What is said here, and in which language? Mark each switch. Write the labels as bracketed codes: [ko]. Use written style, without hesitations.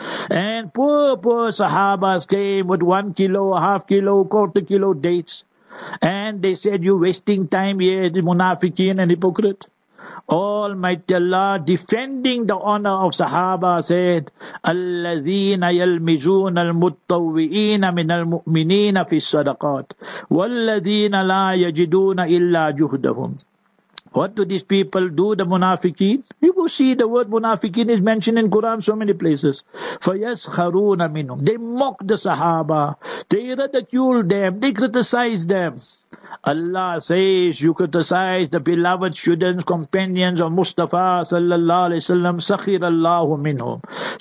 [en] And poor sahabas came with 1 kilo, half kilo, quarter kilo dates. And they said, you're wasting time here, the munafikeen and hypocrite. Almighty Allah, defending the honor of Sahaba, said, [ar] الَّذِينَ يَلْمِزُونَ الْمُتَّوِّئِينَ مِنَ الْمُؤْمِنِينَ فِي الصَّدَقَاتِ وَالَّذِينَ لَا يَجِدُونَ إِلَّا جُهْدَهُمْ. [en] What do these people do, the munafiqeen? You will see the word munafiqeen is mentioned in Quran so many places. [ar] فَيَسْخَرُونَ مِنْهُمْ. [en] They mock the Sahaba. They ridicule them. They criticize them. Allah says, you criticize the beloved students, companions of Mustafa sallallahu alayhi wa sallam, [ar] سَخِرَ اللَّهُ مِنْهُمْ.